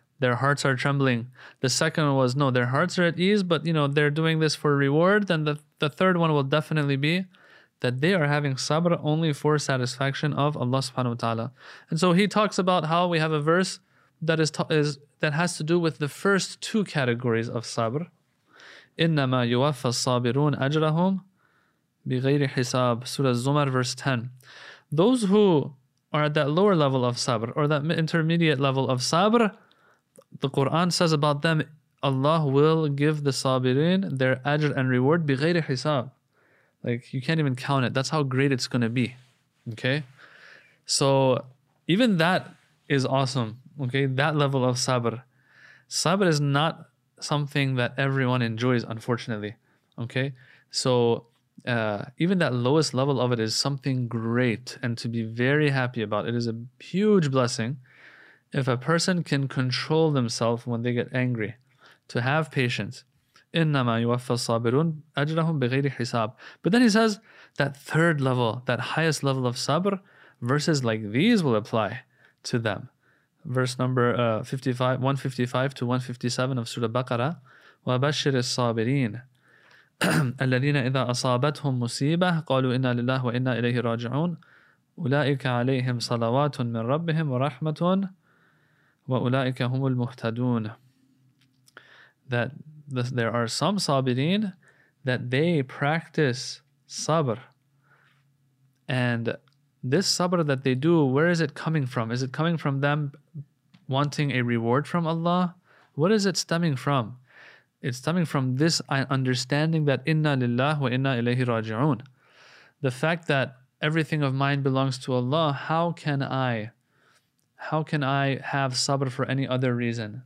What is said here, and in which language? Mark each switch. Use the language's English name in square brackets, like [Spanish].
[English] their hearts are trembling. The second one was, no, their hearts are at ease, but you know, they're doing this for reward. Then the third one will definitely be that they are having sabr only for satisfaction of Allah subhanahu wa ta'ala. And so he talks about how we have a verse that that has to do with the first two categories of sabr. [Arabic] إِنَّمَا يُوَفَّى الصَّابِرُونَ أَجْرَهُمْ بِغَيْرِ حِسَابٍ [English] Surah Zumar, verse 10. Those who are at that lower level of sabr, or that intermediate level of sabr, the Quran says about them, Allah will give the sabirin their ajr and reward [Arabic] بِغَيْرِ حِسَابٍ. [English] Like, you can't even count it. That's how great it's going to be. Okay? So, even that is awesome. Okay? That level of sabr. Sabr is not something that everyone enjoys, unfortunately. Okay? So, even that lowest level of it is something great and to be very happy about. It is a huge blessing if a person can control themselves when they get angry, to have patience. [Arabic] إِنَّمَا يُوَفَّى الصَّابِرُونَ أَجْرَهُمْ بِغَيْرِ حِسَابٍ [English] But then he says, that third level, that highest level of sabr, verses like these will apply to them. Verse number 155 to 157 of Surah Baqarah, [Arabic] وَبَشِّرِ الصَّابِرِينَ الَّذِينَ إِذَا أَصَابَتْهُمْ مُسِيبَةٌ قَالُوا إِنَّا لِلَّهِ وَإِنَّا إِلَيْهِ رَاجِعُونَ أُولَئِكَ عَلَيْهِمْ صَلَوَاتٌ مِنْ رَبِّهِمْ وَرَحْمَةٌ وَأُولَئِكَ هُمُ الْمُهْتَدُونَ [English] That there are some sabireen that they practice sabr. And this sabr that they do, where is it coming from? Is it coming from them wanting a reward from Allah? What is it stemming from? It's stemming from this understanding that inna lillah wa inna ilayhi raji'un. The fact that everything of mine belongs to Allah, how can I have sabr for any other reason?